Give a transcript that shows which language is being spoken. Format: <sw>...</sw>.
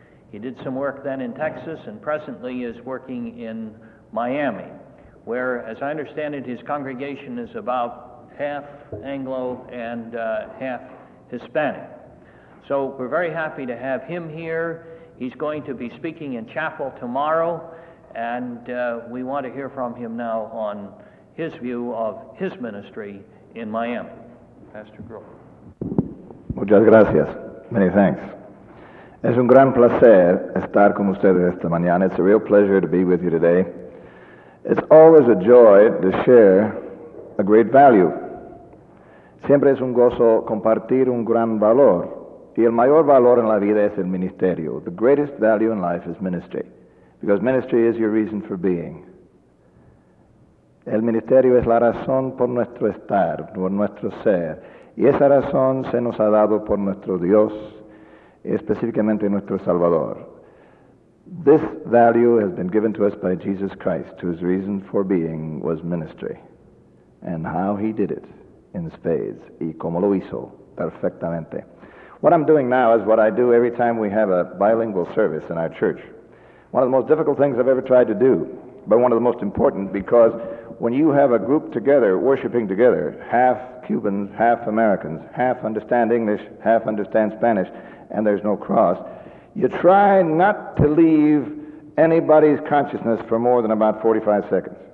<en>He did some work then in Texas and presently is working in Miami, where, as I understand it, his congregation is about half Anglo and half Hispanic. So we're very happy to have him here. He's going to be speaking in chapel tomorrow, and we want to hear from him now on his view of his ministry in Miami. Pastor Gruel.</en> <es>Muchas gracias.</es> <en>Many thanks.</en> <es>Es un gran placer estar con ustedes esta mañana.</es> <en>It's a real pleasure to be with you today. It's always a joy to share a great value.</en> <es>Siempre es un gozo compartir un gran valor. Y el mayor valor en la vida es el ministerio.</es> <en>The greatest value in life is ministry, because ministry is your reason for being.</en> <es>El ministerio es la razón por nuestro estar, por nuestro ser. Y esa razón se nos ha dado por nuestro Dios, específicamente nuestro Salvador.</es> <en>This value has been given to us by Jesus Christ, whose reason for being was ministry. And how he did it in spades.</en> <es>Y como lo hizo perfectamente.</es> <en>What I'm doing now is what I do every time we have a bilingual service in our church. One of the most difficult things I've ever tried to do, but one of the most important, because when you have a group together, worshiping together, half Cubans, half Americans, half understand English, half understand Spanish, and there's no cross, you try not to leave anybody's consciousness for more than about 45 seconds.</en>